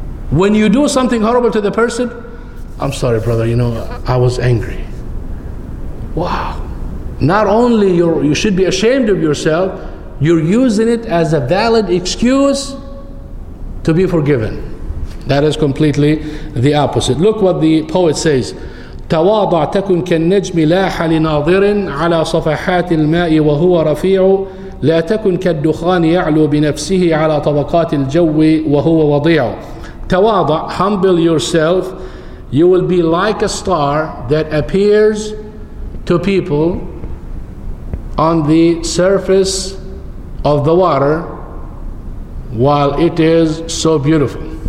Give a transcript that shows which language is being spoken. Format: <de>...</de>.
<en>When you do something horrible to the person, "I'm sorry, brother, you know, I was angry." Wow. Not only you should be ashamed of yourself, you're using it as a valid excuse to be forgiven. That is completely the opposite. Look what the poet says.</en> <ar>تواضع تكن كالنجم لاح لناظر على صفحات الماء وهو رفيع لا تكن كالدخان يعلو بنفسه على طبقات الجو وهو وضيع.</ar> <en>تواضع, humble yourself. You will be like a star that appears to people on the surface of the water while it is so beautiful.</en>